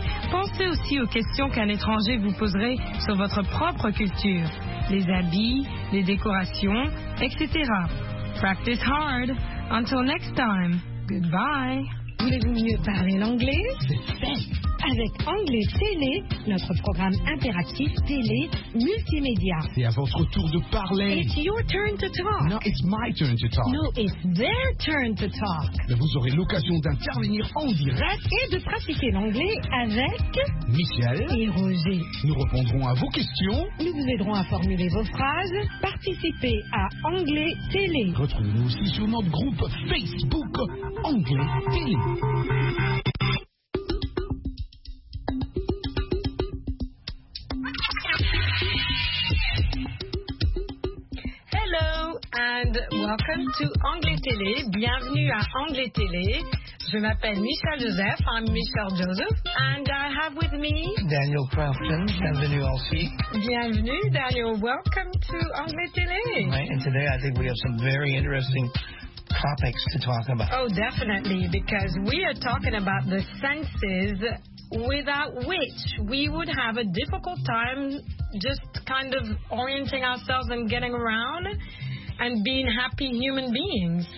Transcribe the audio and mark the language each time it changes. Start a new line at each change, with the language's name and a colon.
French: Pensez aussi aux questions qu'un étranger vous poserait sur votre propre culture. Les habits, les décorations, etc.
English: Practice hard. Until next time. Goodbye.
French: Voulez-vous mieux parler l'anglais? C'est fait. Avec Anglais Télé, notre programme interactif télé multimédia. C'est à votre tour de parler.
English: It's your turn to talk. No, it's my turn to talk. No, it's their turn to talk.
French: Mais vous aurez l'occasion d'intervenir en direct et de pratiquer l'anglais avec Michel et Roger. Nous répondrons à vos questions. Nous vous aiderons à formuler vos phrases. Participez à Anglais Télé. Retrouvez-nous aussi sur notre groupe Facebook Anglais Télé.
English: And welcome to Anglais Télé.
French: Bienvenue à Anglais Télé. Je m'appelle Michel Joseph.
English: I'm Michel Joseph. And I have with me
French: Daniel Crafton. Bienvenue aussi. Bienvenue, Daniel.
English: Welcome to Anglais Télé. Right, and today I think we have some very interesting topics to talk about. Oh, definitely, because we are talking about the senses without which we would have a difficult time just kind of orienting ourselves and getting around and being happy human beings.